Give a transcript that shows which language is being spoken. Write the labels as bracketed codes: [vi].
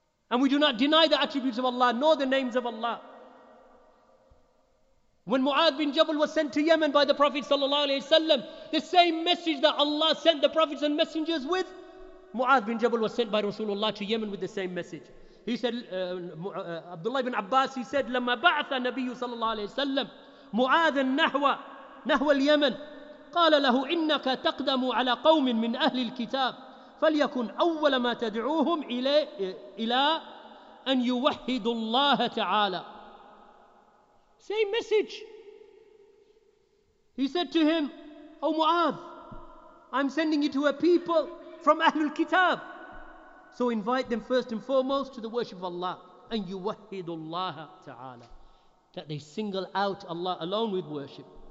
[en] And we do not deny the attributes of Allah, nor the names of Allah. When Mu'adh bin Jabal was sent to Yemen by the Prophet ﷺ, the same message that Allah sent the prophets and messengers with, Mu'adh bin Jabal was sent by Rasulullah to Yemen with the same message. He said, Abdullah ibn Abbas, he said, [ar] لما بعث نبي صلى الله عليه وسلم مُعَاذَ نحو اليمن قال له إنك تقدم على قوم من أهل الكتاب فليكن أول ما تدعوهم إلى أن يوحدوا الله تعالى. [en] Same message. He said to him, Oh Mu'adh, I'm sending you to a people from Ahlul Kitab. So invite them first and foremost to the worship of Allah. [ar] أن يوحدوا الله تعالى. [en] That they single out Allah alone with worship.